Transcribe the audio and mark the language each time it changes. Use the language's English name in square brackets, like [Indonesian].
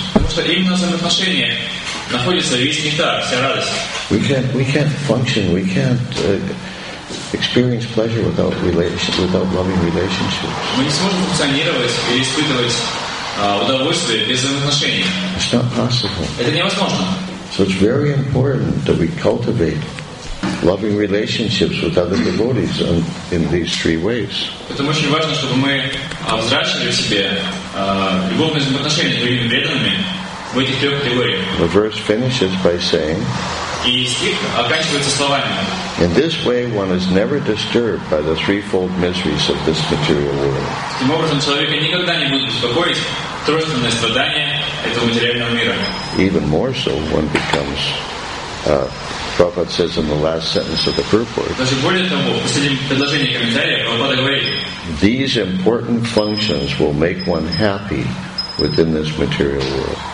[Russian] Потому что именно взаимоотношения находится весь нектар, вся радость. [English] We can't function. We can't experience pleasure without relation, without loving relationships. [Russian] Мы не сможем функционировать или испытывать удовольствие без отношений. [English] It's not possible. [Russian] Это невозможно. [English] So it's very important that we cultivate loving relationships with other devotees in these three ways. [Russian] Поэтому очень важно, чтобы мы взращивали в себе любовные взаимоотношения с другими преданными в этих трех категориях. [English] The verse finishes by saying. [Russian] И стих оканчивается словами. [English] In this way, one is never disturbed by the threefold miseries of this material world. [Russian] Таким образом, человека никогда не будет беспокоить тройственное страдание этого материального мира. [English] Even more so, one becomes. Prabhupada says in the last sentence of the purport. [Russian] Даже более того, в последнем предложении комментария Прабхупада говорит. [English] These important functions will make one happy within this material world.